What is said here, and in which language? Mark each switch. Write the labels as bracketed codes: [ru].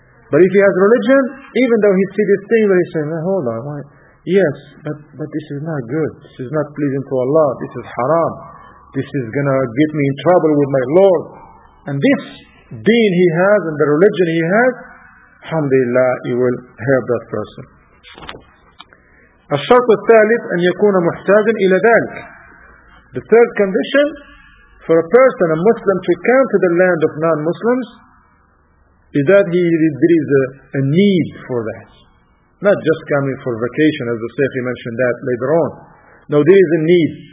[en] But if he has religion, even though he sees this thing, he's saying, well, hold on, why? Yes, but this is not good. This is not pleasing to Allah. This is haram. This is going to get me in trouble with my Lord. And this deen he has and the religion he has, alhamdulillah, he will help that person. [ar] الشرط الثالث أن يكون محتاجا إلى ذلك. [en] The third condition for a person, a Muslim, to come to the land of non-Muslims is that there is a need for that. Not just coming for vacation, as the Sheikh mentioned that later on. No, there is a need.